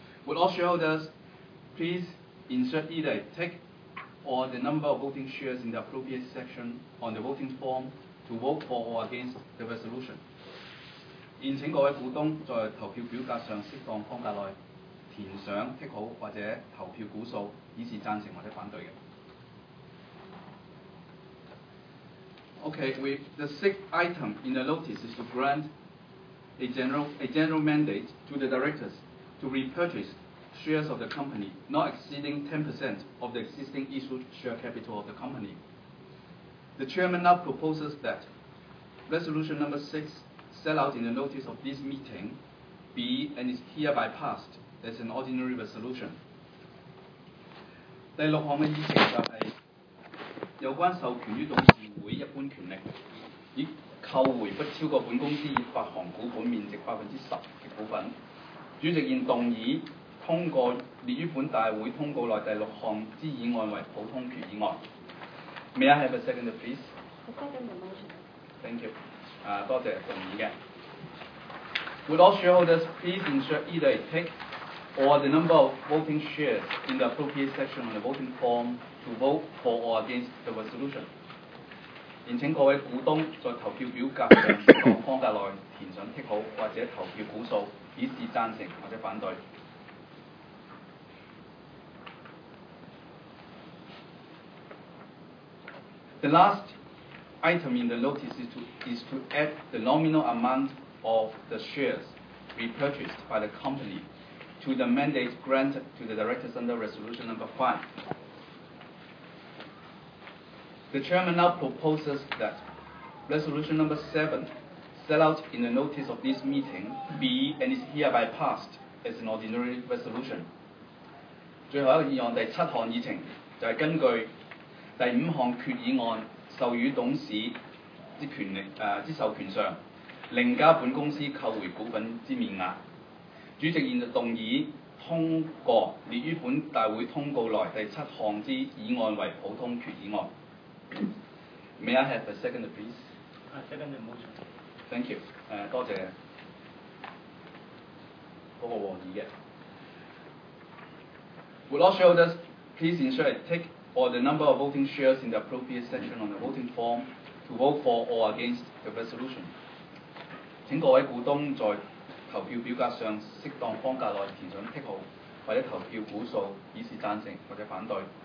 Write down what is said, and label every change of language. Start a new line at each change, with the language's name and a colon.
English: Would all shareholders please insert either a tick or the number of voting shares in the appropriate section on the voting form to vote for or against the resolution.
Cantonese: 現請各位股東在投票表格上適當方格內填上 tick 好或者投票股數，以示贊成或者反對的。
English: Okay, the sixth item in the notice is to grant a general mandate to the directors to repurchase shares of the company not exceeding 10% of the existing issued share capital of the company. The chairman now proposes that resolution number 6 set out in the notice of this meeting be and is hereby passed as an ordinary resolution.
Cantonese: 第六項的議程就是有關授權於董事會一般權力以購回不超過本公司已發行股本面值10%的股份。主席現動議通過列於本大會通告內第六項之議案為普通決議案。
English: May I have a second, please? A second motion. Thank you.
Cantonese: 多謝動議嘅。
English: Would all shareholders please ensure either a tick or the number of voting shares in the appropriate section on the voting form to vote for or against the resolution?
Cantonese: 現請各位股東在投票表格上適當方格內填上 tick 好或者投票股數，以示贊成或者反對。
English: The last item in the notice is to add the nominal amount of the shares repurchased by the company to the mandate granted to the directors under resolution number 5. The chairman now proposes that resolution number 7 set out in the notice of this meeting be and is hereby passed as an ordinary resolution.
Cantonese: 最后一个议案第七项议程就是根据第五項決議案授予董事之權力之授權上，另加本公司購回股份之面額。主席現動議通過列於本大會通告內第七項之議案為普通決議案。
English: May I have a second, please? I second the motion. Thank you.
Cantonese: 多謝嗰個王議嘅。
English: Would all shareholders please ensure a tick or the number of voting shares in the appropriate section on the voting form to vote for or against the resolution.
Cantonese: 请各位股东在投票表格上适当方格内填上 tick 号或者投票股数，以示赞成或者反对。